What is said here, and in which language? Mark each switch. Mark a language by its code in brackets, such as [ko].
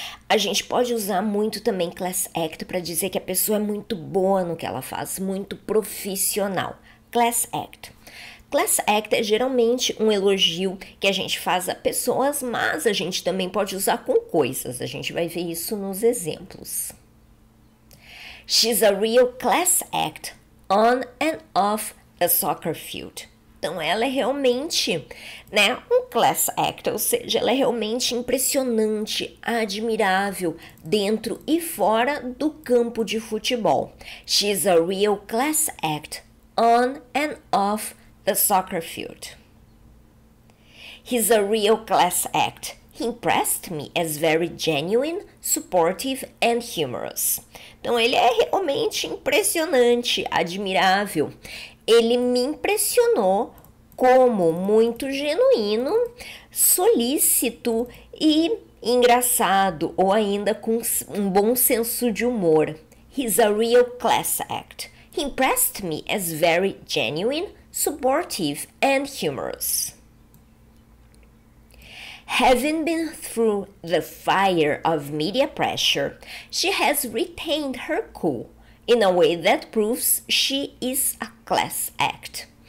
[pt] A gente pode usar muito também Class Act para dizer que a pessoa é muito boa no que ela faz, muito profissional. Class Act. Class Act é geralmente um elogio que a gente faz a pessoas, mas a gente também pode usar com coisas. A gente vai ver isso nos exemplos. [en] She's a real class act on and off the soccer field. [pt] Então, ela é realmente, né, um class act, ou seja, ela é realmente impressionante, admirável dentro e fora do campo de futebol. [en] She's a real class act on and off the soccer field. He's a real class act. He impressed me as very genuine, supportive and humorous. [pt] Então ele é realmente impressionante, admirável. Ele me impressionou como muito genuíno, solícito e engraçado, ou ainda com um bom senso de humor. [en] He's a real class act. He impressed me as very genuine, supportive and humorous. Having been through the fire of media pressure, she has retained her cool in a way that proves she is a class act.